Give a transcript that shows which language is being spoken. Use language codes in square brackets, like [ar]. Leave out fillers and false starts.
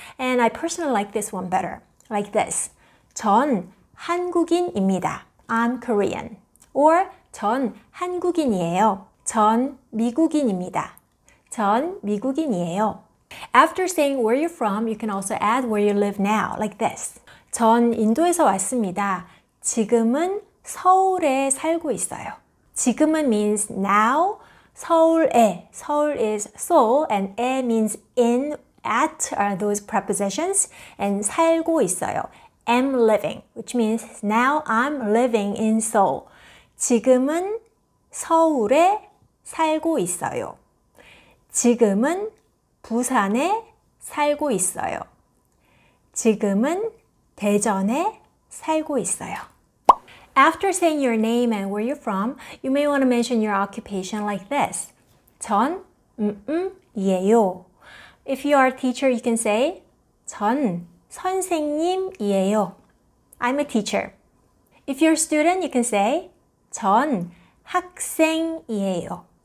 [en] And I personally like this one better. Like this. [ko] 전 한국인입니다. [en] I'm Korean. [ko] Or 전 한국인이에요. 전 미국인입니다. 전 미국인이에요. [en] After saying where you're from, you can also add where you live now, like this. [ko] 전 인도에서 왔습니다. 지금은 서울에 살고 있어요. [en] 지금은 means now, 서울에. 서울 is Seoul, and 에 means in, at are those prepositions, and [ko] 살고 있어요. [en] Am living, which means now I'm living in Seoul. [ko] 지금은 서울에 살고 있어요. 지금은 부산에 살고 있어요. 지금은 대전에 살고 있어요. [en] After saying your name and where you're from, you may want to mention your occupation like this. [ko] 전 음음이에요. [en] If you are a teacher, you can say [ko] 전 선생님이에요. [en] I'm a teacher. If you're a student, you can say [ko] 전 학생이에요.